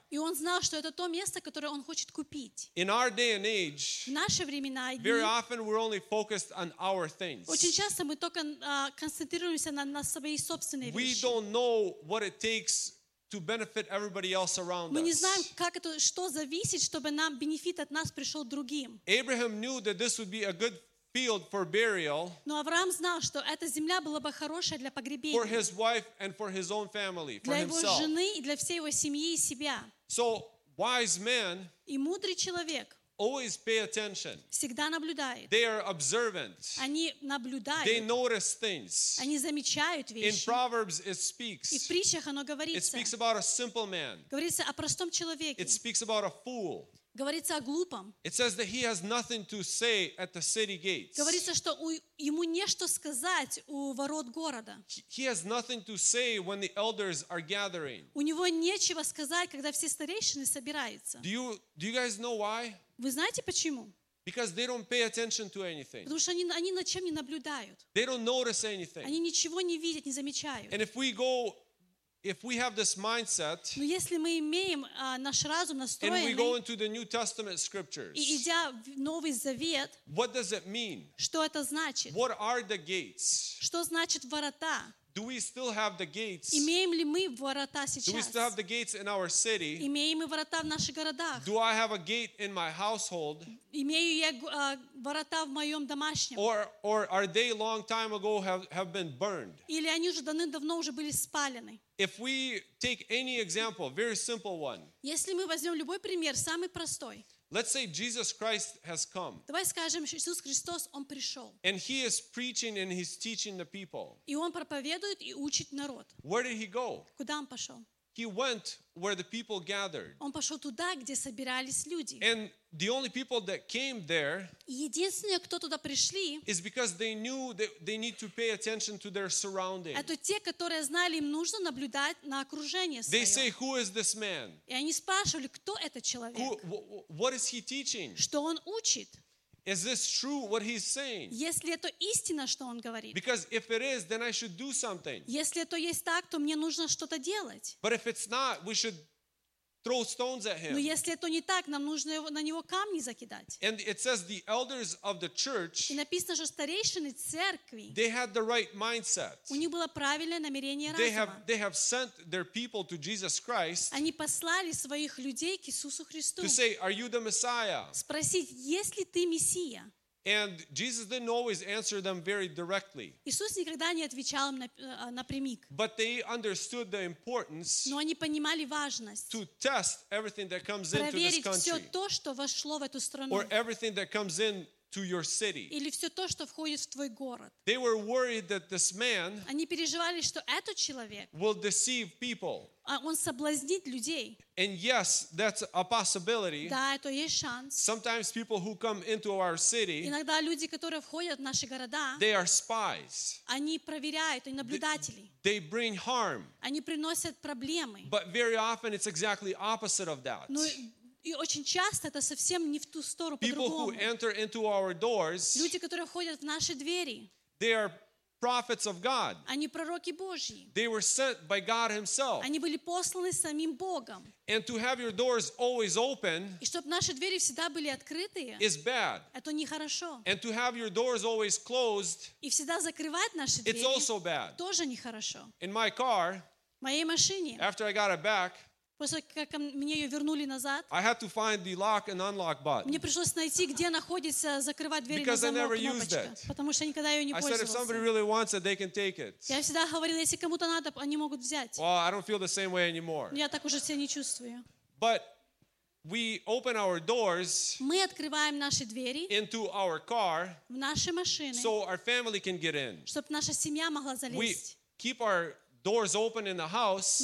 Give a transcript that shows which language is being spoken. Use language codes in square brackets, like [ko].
[ru] И он знал, что это то место, которое он хочет купить. [en] In our day and age, [ru] в наши времена, [en] very often we're only focused on our things. [ru] Очень часто мы только концентрируемся на своей собственной вещи. [en] We don't know what it takes to benefit everybody else around us. [ru] Мы не знаем, как это, что зависит, чтобы нам бенефит от нас пришел другим. [en] Abraham knew that this would be a good field for burial. [ru] Но Авраам знал, что эта земля была бы хорошая для погребения. [en] For his wife and for his own family, [ru] для его жены и для всей его семьи и себя. [en] So wise men. [ru] И мудрый человек. [en] Always pay attention. [ru] Всегда наблюдает. [en] They are observant. [ru] Они наблюдают. [en] They notice things. [ru] Они замечают вещи. [en] In Proverbs it speaks. [ru] И в притчах оно говорится. [en] It speaks about a simple man. [ru] Говорится о простом человеке. [en] It speaks about a fool. [ru] Говорится о глупом. [en] It says that he has nothing to say at the city gates. [ru] Говорится, что ему нечто сказать у ворот города. [en] He has nothing to say when the elders are gathering. [ru] У него нечего сказать, когда все старейшины собираются. [en] Do you guys know why? [ru] Вы знаете почему? [en] Because they don't pay attention to anything. [ru] Потому что они над чем не наблюдают. [en] They don't notice anything. [ru] Они ничего не видят, не замечают. [en] And if we have this mindset, [ru] но если мы имеем наш разум настроенный, [en] and we go into the New Testament scriptures, [ru] и идя в Новый Завет, [en] what does it mean? [ru] Что это значит? [en] What are the gates? [ru] Что значит ворота? [en] Do we still have the gates? [ru] Имеем ли мы ворота сейчас? [en] Do we still have the gates in our city? [ru] Имеем ли мы ворота в наших городах? [en] Do I have a gate in my household? [ru] Имею я ворота в моем домашнем? [en] Or are they long time ago have been burned? [ru] Или они уже давным-давно уже были спалены? [en] If we take any example, very simple one. [ru] Если мы возьмем любой пример, самый простой. [en] Let's say Jesus Christ has come. [ru] Давай скажем, Иисус Христос, он пришел. [en] And he is preaching and he's teaching the people. [ru] И он проповедует и учит народ. [en] Where did he go? [ru] Куда он пошел? [en] He went where the people gathered. [ru] Он пошёл туда, где собирались люди. [en] And the only people that came there, [ru] единственные, кто туда пришли, [en] is because they knew that they need to pay attention to their surroundings. [ru] Это те, которые знали, им нужно наблюдать на окружение своё. [en] They say, who is this man? [ru] И они спрашивали, кто этот человек? [en] What is he teaching? [ru] Что он учит? [en] Is this true what he's saying? [ru] Если это истина, что он говорит. [en] Because if it is, then I should do something. [ru] Если это есть так, то мне нужно что-то делать. [en] But if it's not, we should throw stones at him. [ru] Но если это не так, нам нужно на него камни закидать. [en] And it says the elders of the church. [ru] И написано, что старейшины церкви. [en] They had the right mindset. [ru] У них было правильное намерение разума. [en] They have sent their people to Jesus Christ. [ru] Они послали своих людей к Иисусу Христу. [en] To say, are you the Messiah? [ru] Спросить, есть ли ты Мессия? [en] And Jesus didn't always answer them very directly. [ru] Иисус никогда не отвечал им напрямик. [en] But they understood the importance. [ru] Но они понимали важность. [en] To test everything that comes into this country. [ru] Проверить все то, что вошло в эту страну. [en] Or everything that comes into your city. [ru] Или все то, что входит в твой город. [en] They were worried that this man. [ru] Они переживали, что этот человек. [en] Will deceive people. [ru] Он соблазнит людей. [en] And yes, that's a possibility. [ru] Да, это есть шанс. [en] Sometimes people who come into our city. [ru] Иногда люди, которые входят в наши города. [en] They are spies. [ru] Они проверяют, они наблюдатели. [en] They bring harm. [ru] Они приносят проблемы. [en] But very often it's exactly opposite of that. [ru] И очень часто это совсем не в ту сторону, по-другому. [en] People who enter into our doors. [ru] Люди, которые входят в наши двери. [en] They are prophets of God. [ru] Они пророки Божьи. [en] They were sent by God himself. [ru] Они были посланы самим Богом. [en] And to have your doors always open. [ru] И чтобы наши двери всегда были открытые. [en] Is bad. [ru] Это нехорошо. [en] And to have your doors always closed. [ru] И всегда закрывать наши двери. [en] It's also bad. [ru] Тоже нехорошо. [en] In my car. [ru] В моей машине. [en] After I got it back. [ru] После как мне ее вернули назад. [en] I had to find the lock and unlock button. [ru] Мне пришлось найти, где находится закрывать двери [en] Because [ru] на замок [en] I never [ru] кнопочка. [en] Used it. [ru] Потому что я никогда ее не пользовался. [en] I said, if somebody really wants it, they can take it. [ru] Я всегда говорил, если кому-то надо, они могут взять. [en] Well, I don't feel the same way anymore. [ru] Я так уже себя не чувствую. [en] But we open our doors. [ru] Мы открываем наши двери. [en] Into our car. [ru] В наши машины. [en] So our family can get in. [ru] Чтобы наша семья могла залезть. [en] We keep our doors open in the house